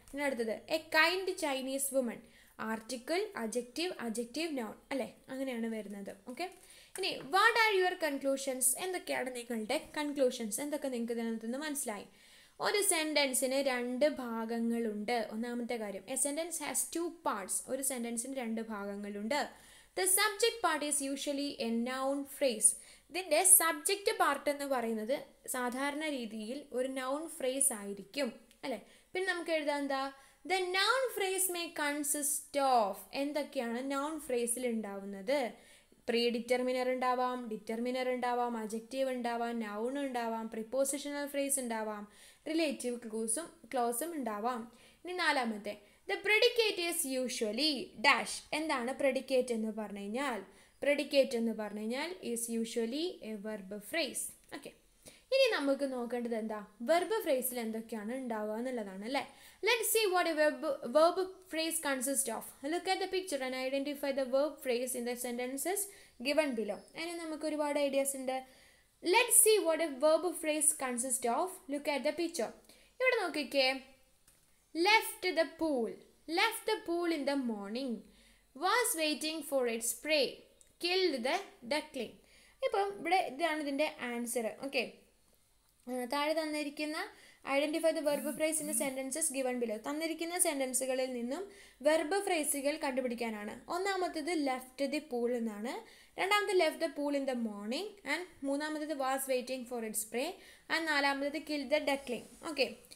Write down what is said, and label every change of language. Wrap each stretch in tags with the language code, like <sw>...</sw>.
<ml>ഇനി അടുത്തത്,</ml> <en>a kind Chinese woman,</en> <ml>article, adjective, adjective, noun അല്ലേ. അങ്ങനെയാണ് വരുന്നത്. ഓക്കെ. ഇനി</ml> <en>what are your conclusions,</en> <ml>എന്തൊക്കെയാണ് നിങ്ങളുടെ കൺക്ലൂഷൻസ്, എന്തൊക്കെ നിങ്ങൾക്ക് ഇതിനകത്ത് നിന്ന് മനസ്സിലായി. ഒരു സെൻറ്റൻസിന് രണ്ട് ഭാഗങ്ങളുണ്ട്. ഒന്നാമത്തെ കാര്യം,</ml> <en>a sentence has two parts,</en> <ml>ഒരു സെൻറ്റൻസിന് രണ്ട് ഭാഗങ്ങളുണ്ട്.</ml> <en>The subject part is usually a noun phrase.</en> <ml>ഇതിൻ്റെ സബ്ജക്റ്റ് പാർട്ട് എന്ന് പറയുന്നത് സാധാരണ രീതിയിൽ ഒരു നൗൺ ഫ്രേസ് ആയിരിക്കും അല്ലേ. പിന്നെ നമുക്ക് എഴുതാൻ എന്താ,</ml> <en>the noun phrase may consist of,</en> <ml>എന്തൊക്കെയാണ് നൗൺ ഫ്രേസിൽ ഉണ്ടാവുന്നത്. പ്രീ ഡിറ്റർമിനർ ഉണ്ടാവാം, ഡിറ്റർമിനർ ഉണ്ടാവാം, അജക്റ്റീവ് ഉണ്ടാവാം, നൗൺ ഉണ്ടാവാം, പ്രിപ്പോസിഷണൽ ഫ്രേസ് ഉണ്ടാവാം, റിലേറ്റീവ് ക്ലൂസും ക്ലോസും ഉണ്ടാവാം. ഇനി നാലാമത്തെ,</ml> <en>The predicate is usually dash.</en> <ml>എന്താണ് പ്രെഡിക്കേറ്റ് എന്ന് പറഞ്ഞു കഴിഞ്ഞാൽ, പ്രെഡിക്കേറ്റ് എന്ന് പറഞ്ഞു കഴിഞ്ഞാൽ</ml> <en>Is usually a verb phrase.</en> <ml>Okay. ഇനി നമുക്ക് നോക്കേണ്ടത് എന്താ, വെർബ് ഫ്രേസിൽ എന്തൊക്കെയാണ് ഉണ്ടാവുക എന്നുള്ളതാണ് അല്ലേ.</ml> <en>Let see what a verb phrase consist of. Look at the picture and identify the verb phrase in the sentences given below.</en> <ml>അതിന് നമുക്ക് ഒരുപാട് ഐഡിയാസ് ഉണ്ട്.</ml> <en>Let see what a verb phrase consist of, look at the picture.</en> <ml>ഇവിടെ നോക്കിക്കേ,</ml> <en>left the pool, left the pool in the morning, was waiting for its prey, killed the duckling.</en> <ml>ഇപ്പോൾ ഇവിടെ ഇതാണ് ഇതിൻ്റെ ആൻസർ. ഓക്കെ. താഴെ തന്നിരിക്കുന്ന</ml> <en>identify the verb phrase in the sentences given below,</en> <ml>തന്നിരിക്കുന്ന സെൻറ്റൻസുകളിൽ നിന്നും വെർബ് ഫ്രേസുകൾ കണ്ടുപിടിക്കാനാണ്. ഒന്നാമത്തേത്</ml> <en>left the pool</en> <ml>എന്നാണ്, രണ്ടാമത്തേത്</ml> <en>left the pool in the morning</en> <ml>and മൂന്നാമത്തേത്</ml> <en>was waiting for its prey</en> <ml>and നാലാമത്തേത്</ml> <en>Killed the duckling.</en> <ml>ഓക്കെ.</ml>